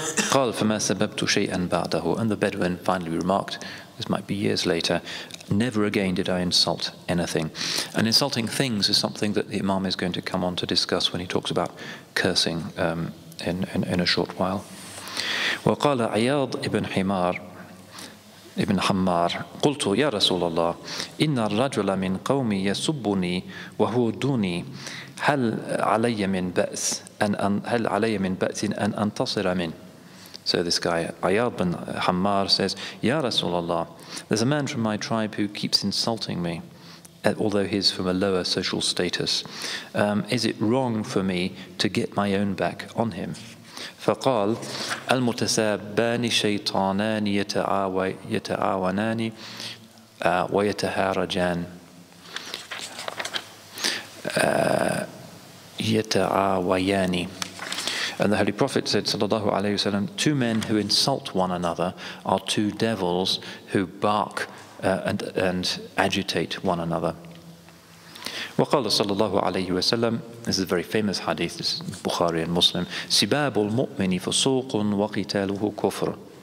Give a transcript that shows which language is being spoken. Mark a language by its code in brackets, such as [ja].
[ar] قَالْ فَمَا سَبَبْتُ شَيْئًا بَعْدَهُ. [en] And the Bedouin finally remarked, this might be years later, never again did I insult anything. And insulting things is something that the Imam is going to come on to discuss when he talks about cursing in a short while. [ar] وَقَالَ عِيَاضْ إِبْنْ حِمَارِ ابن حمار قلت يا رسول الله إن الرجل من قومي يسبني وهو دوني هل علي من بأس أن أنتصر من. [en] So this guy Ayad bin Hammar says, [ar] يا رسول الله, [en] there's a man from my tribe who keeps insulting me, although he's from a lower social status. Is it wrong for me to get my own back on him? [ar] فقال المتسابان شيطانان يتعاونان ويتهارجان يتعاويان. [en] And the Holy Prophet said, [ar] sallallahu alayhi wa sallam, [en] two men who insult one another are two devils who bark and agitate one another. [ar] وقال صلى الله عليه وسلم, [en] this is a very famous hadith, this is Bukhari and Muslim, [ar] سباب المؤمن فسوق وقتاله كفر.